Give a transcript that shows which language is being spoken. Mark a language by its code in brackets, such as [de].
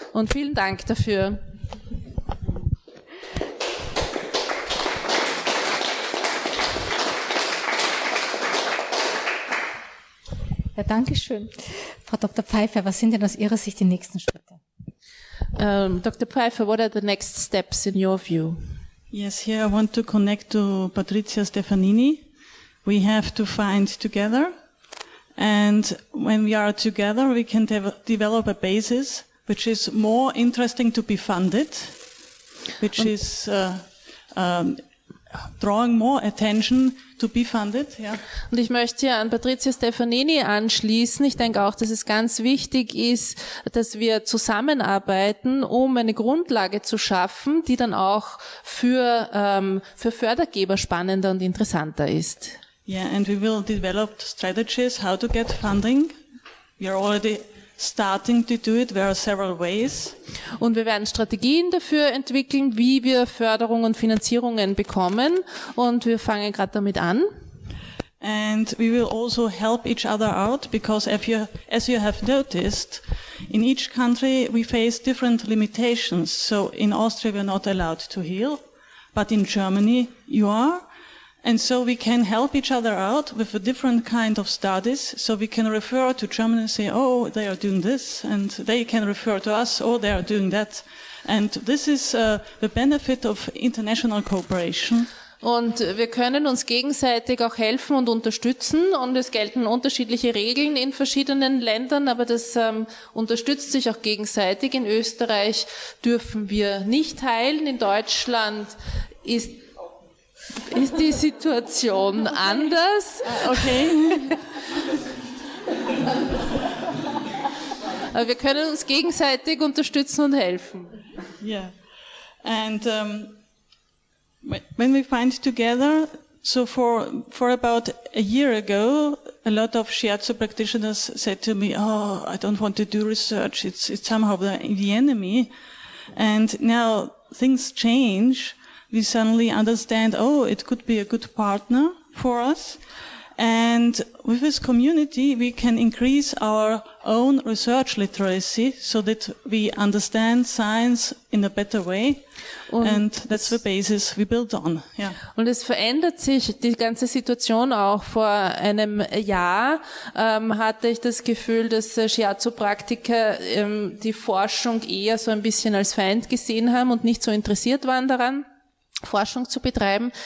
[de] Und vielen Dank dafür. Ja, danke schön. Frau Dr. Pfeiffer, was sind denn aus Ihrer Sicht die nächsten Schritte? Dr. [en] Pfeiffer, what are the next steps in your view? Yes, here I want to connect to Patrizia Stefanini. We have to find together. And when we are together, we can develop a basis, which is more interesting to be funded, which is drawing more attention to be funded, ja. [de] Und ich möchte hier an Patrizia Stefanini anschließen. Ich denke auch, dass es ganz wichtig ist, dass wir zusammenarbeiten, um eine Grundlage zu schaffen, die dann auch für Fördergeber spannender und interessanter ist. [en] Yeah, and we will develop strategies how to get funding. We are already starting to do it. There are several ways. [de] Und wir werden Strategien dafür entwickeln, wie wir Förderung und Finanzierungen bekommen. Und wir fangen gerade damit an. [en] And we will also help each other out, because as you have noticed, in each country we face different limitations. So in Austria we are not allowed to heal, but in Germany you are. And so we can help each other out with a different kind of studies. So we can refer to Germany and say, oh, they are doing this. And they can refer to us, oh, they are doing that. And this is the benefit of international cooperation. [de] Und wir können uns gegenseitig auch helfen und unterstützen. Und es gelten unterschiedliche Regeln in verschiedenen Ländern, aber das unterstützt sich auch gegenseitig. In Österreich dürfen wir nicht heilen. In Deutschland ist die Situation anders? Okay. Aber wir können uns gegenseitig unterstützen und helfen. Yeah. [en] And when we find together, so for about a year ago, a lot of shiatsu practitioners said to me, oh, I don't want to do research. It's somehow the enemy. And now things change. We suddenly understand, oh, it could be a good partner for us. And with this community, we can increase our own research literacy so that we understand science in a better way. And that's the basis we build on. Yeah. [de] Und es verändert sich die ganze Situation auch. Vor einem Jahr hatte ich das Gefühl, dass Shiatsu-Praktiker die Forschung eher so ein bisschen als Feind gesehen haben und nicht so interessiert waren daran, Forschung zu betreiben.